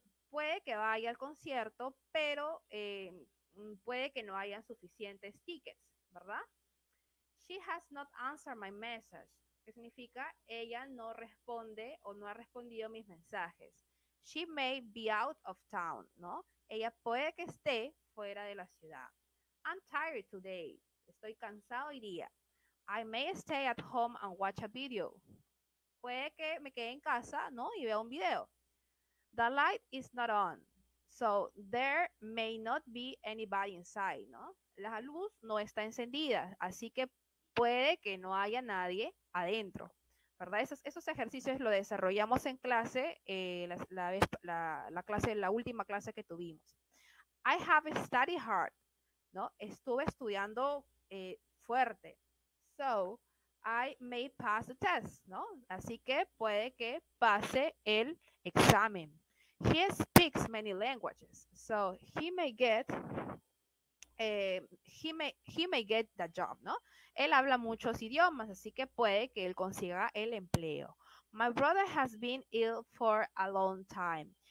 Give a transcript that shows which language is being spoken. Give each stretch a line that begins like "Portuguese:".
Spanish: Puede que vaya al concierto, pero puede que no hayan suficientes tickets, ¿verdad?
English: She has not answered my message.
Spanish: ¿Qué significa? Ella no responde o no ha respondido mis mensajes.
English: She may be out of town,
Spanish: ¿no? Ella puede que esté fuera de la ciudad.
English: I'm tired today.
Spanish: Estoy cansado hoy día.
English: I may stay at home and watch a video.
Spanish: Puede que me quede en casa, ¿no? Y vea un video.
English: The light is not on. So there may not be anybody inside, ¿no?
Spanish: La luz no está encendida. Así que puede que no haya nadie adentro, ¿verdad? Esos ejercicios los desarrollamos en clase, la clase, la última clase que tuvimos.
English: I have studied hard, ¿no?
Spanish: Estuve estudiando fuerte.
English: So, I may pass the test,
Spanish: ¿no? Así que puede que pase el examen.
English: He speaks many languages, so he may get the job, ¿no?
Spanish: Él habla muchos idiomas, así que puede que él consiga el empleo.
English: My brother has been ill for a long time.